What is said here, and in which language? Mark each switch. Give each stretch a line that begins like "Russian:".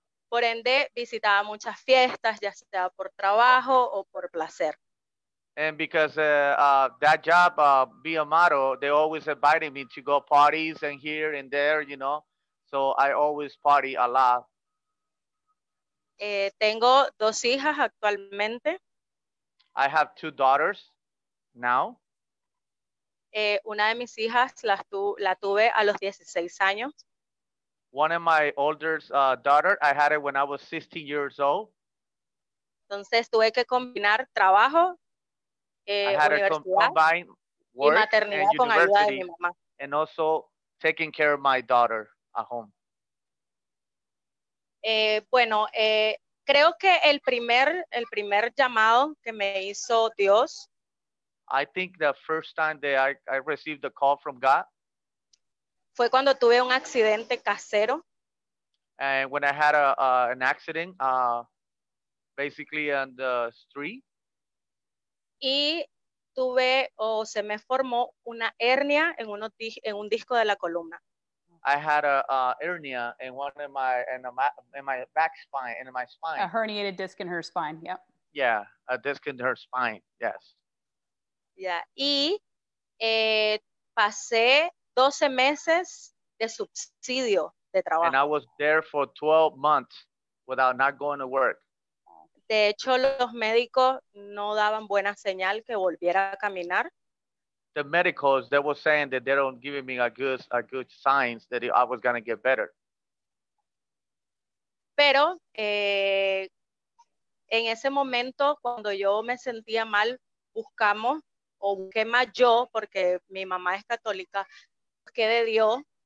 Spanish: Por ende, visitaba muchas fiestas, ya sea por trabajo o por placer.
English: And because that job, be a model, they always invited me to go parties and here and there, you know. So I always party a lot.
Spanish: Tengo dos hijas actualmente.
English: I have two daughters now.
Spanish: Una de mis hijas la tuve a los 16 años.
English: One of my older daughter, I had it when I was 16 years old.
Spanish: Entonces tuve que combinar trabajo, universidad, y maternidad con ayuda de mi mamá.
English: And also taking care of my daughter at home.
Spanish: Bueno, creo que el primer llamado que me hizo Dios.
English: I think the first time that I received the call from God.
Spanish: Fue cuando tuve un accidente casero.
English: And when I had an accident, basically on the street.
Spanish: Y tuve se me formó una hernia en un disco de la columna.
English: I had a hernia in one of my in my back spine, in my spine. A herniated disc in her spine. Yep. Yeah, a disc in her spine. Yes.
Spanish: Yeah. Y pasé 12 meses de subsidio de trabajo.
English: And I was there for 12 months without not going to work.
Spanish: De hecho, los médicos no daban buena señal que volviera a caminar.
English: The medicals, they were saying that they don't give me a good signs that I was going to get better.
Spanish: Pero en ese momento, cuando yo me sentía mal, buscamos, o busqué más yo, porque mi mamá es católica, busqué de Dios.